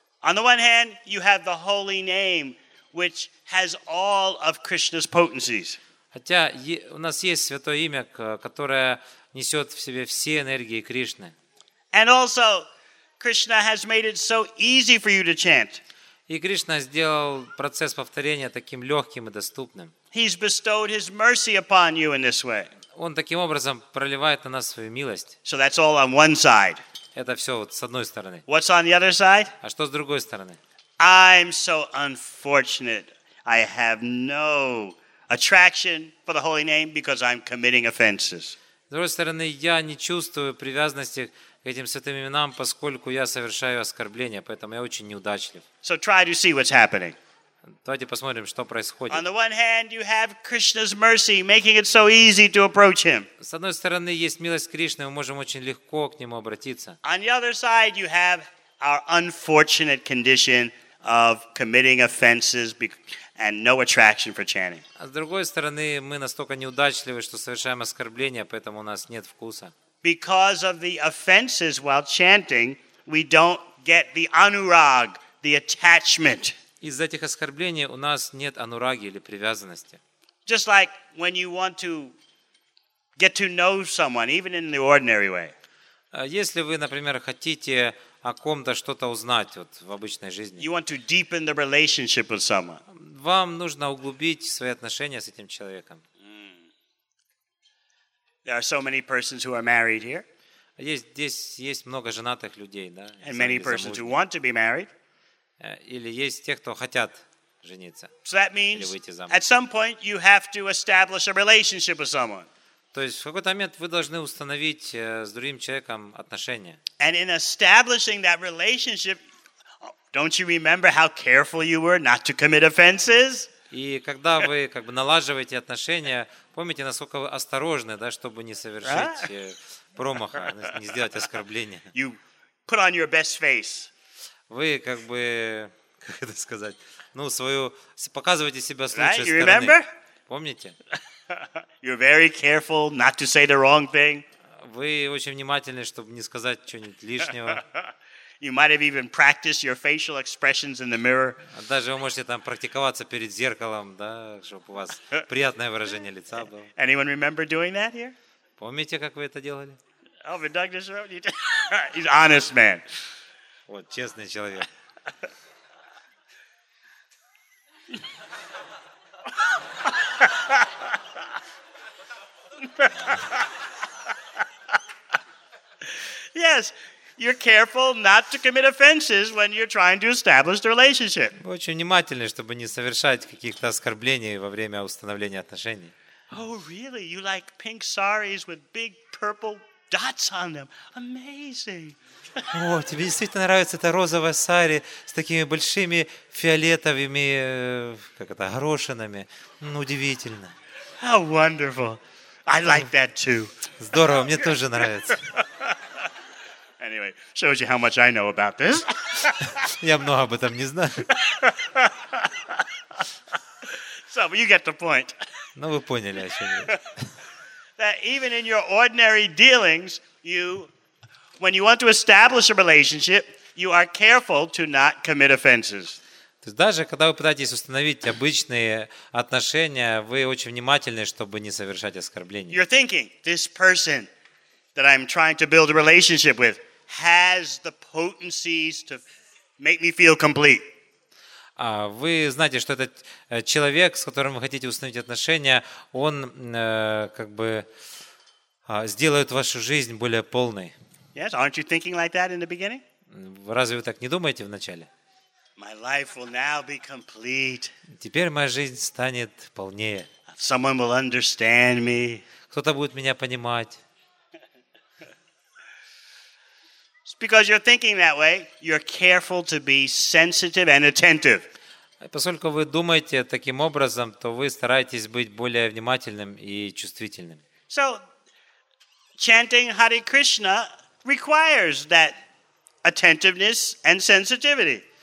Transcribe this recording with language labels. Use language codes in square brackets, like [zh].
[en] On the one hand, you have the holy name, which has all of Krishna's potencies. [ru] Хотя у нас есть святое имя, которое несет в себе все энергии Кришны. [en] And also, Krishna has made it so easy for you to chant. [ru] И Кришна сделал процесс повторения таким легким и доступным. [en] He's bestowed his mercy upon you in this way. [ru] Он таким образом проливает на нас свою милость. [en] So that's all on one side. [ru] Это все вот с одной стороны. [en] What's on the other side? [ru] А что с другой стороны? [en] I'm so unfortunate. I have no attraction for the holy name because I'm committing offenses. [ru] С другой стороны, я не чувствую привязанности к этим святым именам, поскольку я совершаю оскорбления, поэтому я очень неудачлив. [en] So try to see what's happening. [ru] Давайте посмотрим, что происходит. [en] On the one hand, you have Krishna's mercy, making it so easy to approach Him. [ru] С одной стороны, есть милость Кришны, мы можем очень легко к Нему обратиться. [en] On the other side, you have our unfortunate condition of committing offenses and no attraction for chanting. [ru] А с другой стороны, мы настолько неудачливы, что совершаем оскорбления, поэтому у нас нет вкуса. [en] Because of the offenses while chanting, we don't get the anurag, the attachment. [ru] Из-за этих оскорблений у нас нет анураги или привязанности. [en] Just like when you want to get to know someone, even in the ordinary way. [ru] Если вы, например, хотите о ком-то что-то узнать вот в обычной жизни. [en] You want to deepen the relationship with someone. [ru] Вам нужно углубить свои отношения с этим человеком. [en] There are so many persons who are married here. [ru] Есть много женатых людей, да? [en] And many persons who want to be married. [ru] Или есть те, кто хотят жениться. [en] So that means at some point you have to establish a relationship with someone. [ru] То есть в какой-то момент вы должны установить с другим человеком отношения. [en] And in establishing that relationship, don't you remember how careful you were not to commit offenses? [ru] И когда вы как бы налаживаете отношения, помните, насколько вы осторожны, да, чтобы не совершить промаха, не сделать оскорбления. [en] You put on your best face. [ru] Вы как бы, как это сказать, ну, свою, показываете себя с лучшей [en] right? [ru] стороны. [en] You remember? [ru] Помните? [en] You're very careful not to say the wrong thing. [ru] Вы очень внимательны, чтобы не сказать чего-нибудь лишнего. [en] You might have even practiced your facial expressions in the mirror. [ru] Даже вы можете там практиковаться перед зеркалом, да, чтобы у вас приятное выражение лица было. [en] Anyone remember doing that here? [ru] Помните, как вы это делали? [en] Oh, but Doug just wrote it. He's an honest man. [ru] Вот честный человек. [en] Yes. You're careful not to commit offenses when you're trying to establish the relationship. [ru] Вы очень внимательны, чтобы не совершать каких-то оскорблений во время установления отношений. [en] Oh, really? You like pink saris with big purple dots on them? Amazing. [ru] О, тебе действительно нравится эта розовая сари с такими большими фиолетовыми, как это, горошинами. Ну, удивительно. [en] How wonderful. I like that too. [ru] Здорово, мне тоже нравится. [en] Anyway, shows you how much I know about this. [ru] Я много об этом не знаю. [en] So, but you get the point. [ru] Ну, вы поняли, о чем я. [en] That even in your ordinary dealings, you, when you want to establish a relationship, you are careful to not commit offenses. [ru] То есть даже когда вы пытаетесь установить обычные отношения, вы очень внимательны, чтобы не совершать оскорблений. [en] You're thinking, this person that I'm trying to build a relationship with has the potencies to make me feel complete. [ru] Вы знаете, что этот человек, с которым вы хотите установить отношения, он как бы сделает вашу жизнь более полной. [en] Yes, aren't you thinking like that in the beginning? [ru] Разве вы так не думаете вначале? [en] My life will now be complete. [ru] Теперь моя жизнь станет полнее. [en] Someone will understand me. [ru] Кто-то будет меня понимать. [en] Because you're thinking that way, you're careful to be sensitive and attentive. [ru] Поскольку вы думаете таким образом, то вы стараетесь быть более внимательным и чувствительным. [en] So, chanting Hare Krishna requires that attentiveness and sensitivity.